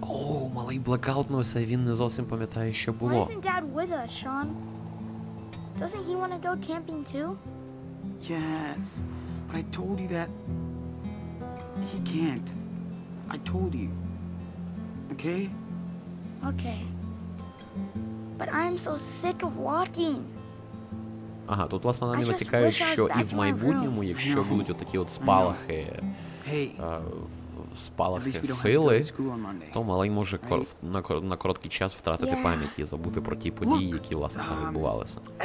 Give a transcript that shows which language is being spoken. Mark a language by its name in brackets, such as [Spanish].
[Ukrainian] Oh, малий блекаутнувся, він не зовсім пам'ятає, що було. [English] Why isn't Dad with us, Sean? Doesn't he want to go camping too? Yes, but I told you that he can't. I told you. Okay? Okay. But I'm so sick of walking. [Ukrainian] Ага, тут, власне, вони натякають, що і в майбутньому, якщо будуть отакі от спалахи, спалахи сили, то малий може на короткий час втратити пам'ять і забути про ті події, які, власне, там відбувалися.